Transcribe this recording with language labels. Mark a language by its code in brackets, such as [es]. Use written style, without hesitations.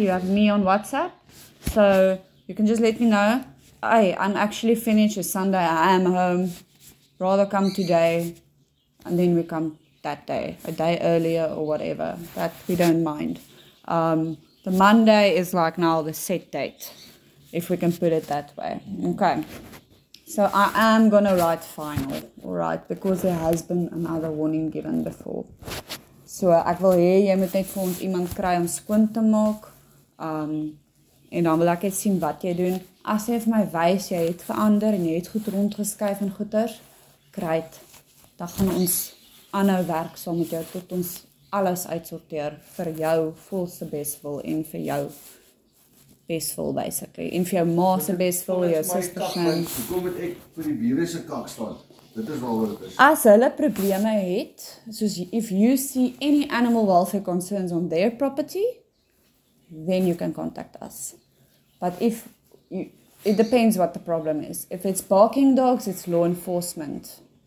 [en] you have me on WhatsApp, so you can just let me know, hey, I'm actually finished on Sunday, I am home, rather come today, and then we come that day, a day earlier or whatever, that we don't mind. The Monday is like now the set date, if we can put it that way. Okay, so I am gonna write final, all right, because there has been another warning given before. [af] So ek wil hê jy moet net vir ons iemand kry om skoon te maak, en dan wil ek net sien wat jy doen. As jy vir my wys jy het verander en jy het goed rondgeskuif en goeders, kry dit, dan gaan ons aanhou werk saam met jou tot ons alles uitsorteer vir jou volste bestwil en vir jou bestwil basically. En vir jou ma se bestwil, jou suster se. Hoekom moet ek vir die bure se kak staan? Dit is waaroor dit is. As hulle probleme het, soos [en] if you see any animal welfare concerns on their property, then you can contact us. But if it depends what the problem is. If it's barking dogs, it's law enforcement.